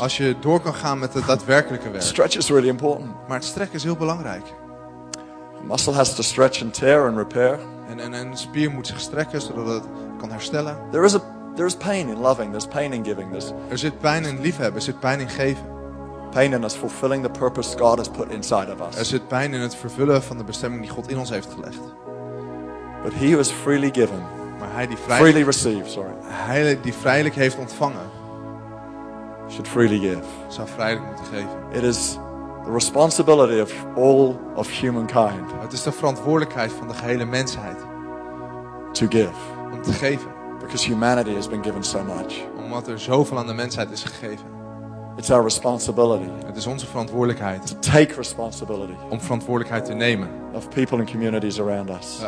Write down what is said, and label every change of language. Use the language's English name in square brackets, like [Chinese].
[Dutch] Als je door kan gaan met het daadwerkelijke werk. [English] Stretch is really important. [Dutch] Maar het strekken is heel belangrijk. [English] Muscle has to stretch and tear and repair. [Dutch] En een spier moet zich strekken zodat het kan herstellen. [English] There is pain in loving. There's pain in giving. [Dutch] Er zit pijn in liefhebben. Er zit pijn in geven. [English] Pain in us fulfilling the purpose God has put inside of us. [Dutch] Er zit pijn in het vervullen van de bestemming die God in ons heeft gelegd. [English] But he who is freely given, [Dutch] maar hij die [English] freely received, sorry, [Dutch] hij die vrijelijk heeft ontvangen, [English] should freely give. [Dutch] Zou vrijelijk moeten geven. [English] It is the responsibility of all of humankind. [Dutch] Het is de verantwoordelijkheid van de gehele mensheid. [English] To give. [Dutch] Om te geven. [English] Because humanity has been given so much. [Dutch] Omdat er zoveel aan de mensheid is gegeven. [English] It's our responsibility. [Dutch] Het is onze verantwoordelijkheid. [English] To take responsibility. [Dutch] Om verantwoordelijkheid te nemen. [English] Of people and communities around us.